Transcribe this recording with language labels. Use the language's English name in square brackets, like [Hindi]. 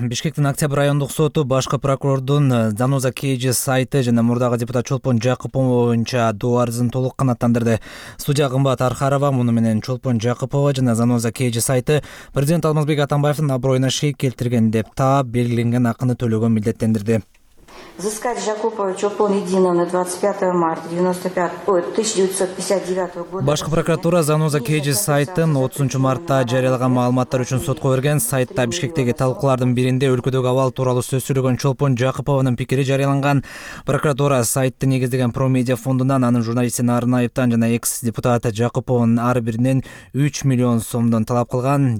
[Kyrgyz] Бишкектин Октябрь райондук соту башкы прокурордун Заноза Кейжи сайты жана мурдагы депутат Чолпон Жакыпова боюнча доо арызын толук канааттандырды. Судья Кымбат Архарова муну менен Чолпон Жакыпова жана Заноза Кейжи сайты президент Алмазбек Атамбаевдин аброюна шек келтирген деп таап белгиленген акыны төлөгөн милдеттендирди. [Russian] Взыскать Жакупова Чолпон Единовна 25 марта 1959 года. [Kyrgyz] Башкы прокуратура Заноза Кейжи сайтын 30 мартта жарыялаган маалыматтар үчүн сотко берген. Сайтта Бишкектеги талкуулардын биринде өлкөдөгү абал тууралуу сөз сүйлөгөн Чолпон Жакыпованын пикири жарыяланган. Прокуратура сайтты негиздеген Промедиа фондунан анын журналисти Нарынаевтан жана экс-депутаты Жакыпованын ар биринен 3 миллион сомдон талап кылган.